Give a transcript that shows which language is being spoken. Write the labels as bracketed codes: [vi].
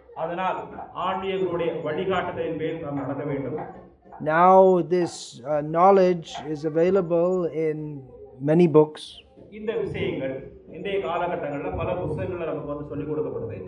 [ta] அதனால் ஆன்மீக குருடைய வழிகாட்டுதலின் பேர் நாம் நடக்க வேண்டும். [en] Now this knowledge is available in many books. [ta] இந்த விஷயங்கள் இந்திய காலகட்டங்களில் பல புத்தகங்களில் நமக்கு வந்து சொல்லிக் கொடுக்கப்படுது.